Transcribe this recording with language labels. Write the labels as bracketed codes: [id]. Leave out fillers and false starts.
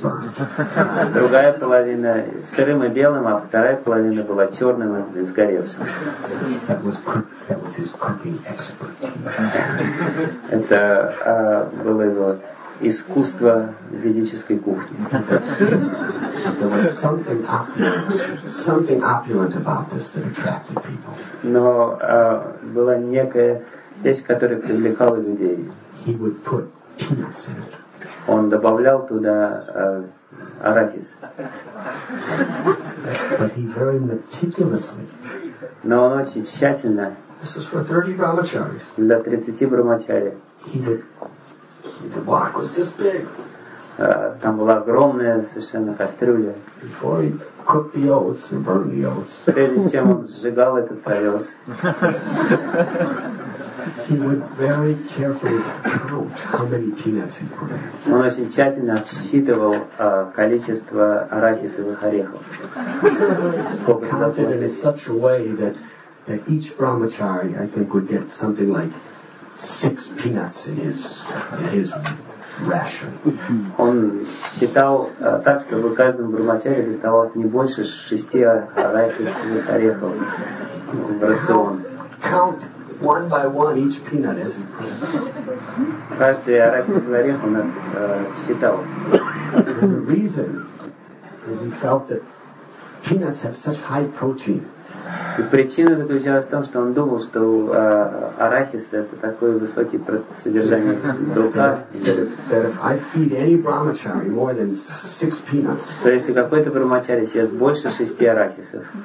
[en] burnt. [ru] Другая половина сырым и белым, а вторая половина была черным и сгоревшим. [en] That was his cooking expertise. [ru] Это было его искусство ведической кухни. [en] There was something opulent about this that attracted people. [ru] Но была некая вещь, которая привлекала людей. [en] He would put peanuts in it. [ru] Он добавлял туда арахис. [en] But he very meticulously. [ru] Но он очень тщательно. [en] This was for 30 brahmacharis. [ru] Для 30 брахмачари. [en] The wok was this big. [ru] Там была огромная совершенно кастрюля. [en] Before he cooked the oats and burned the oats. [ru] Прежде чем он сжигал этот овес. [en] He would very carefully count how many peanuts he put in. [ru] Он очень тщательно отсчитывал количество арахисовых орехов. [en] Counted in such a way that each brahmachari, I think, would get something like 6 peanuts in his ration. [ru] Он считал так, чтобы каждому брахмачари доставалось не больше 6 арахисовых орехов в рацион. [en] Count. One by one, each peanut as he put. [ru] Каждый арахисовый орех он считал. [en] The reason is he felt that peanuts have such high protein. [ru] И причина заключалась в том, что он думал, что арахис это такое высокое содержание белка. [en] That if I feed any brahmachari more than 6 peanuts. [ru] Что если какой-то брахмачари съест больше 6 арахисов,